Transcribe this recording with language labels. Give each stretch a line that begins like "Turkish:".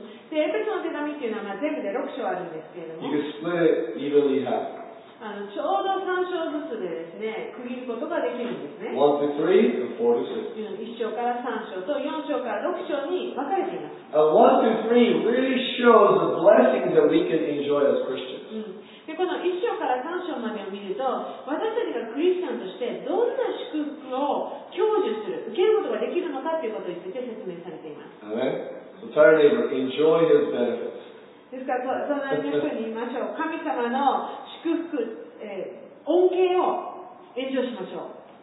Japanese: でエペソの手紙というのは全部で6章あるんですけれども
English: you can split it evenly half.
Japanese: ちょうど3章ずつでですね区切ることができるんですね
English: 1 to 3 and 4 to 6
Japanese: 1章から3章と4章から6章に分かれています
English: 1 to 3 really shows the blessings that we can enjoy as Christians、
Japanese: でこの1章から3章までを見ると私たちがクリスチャンとしてどんな祝福を享受する受けることができるのかということについて説明されています
English: アメン So tell your neighbor, enjoy his benefits.
Japanese: ですから、そんな人に言いましょう。神様の祝福、恩恵を延長しましょう。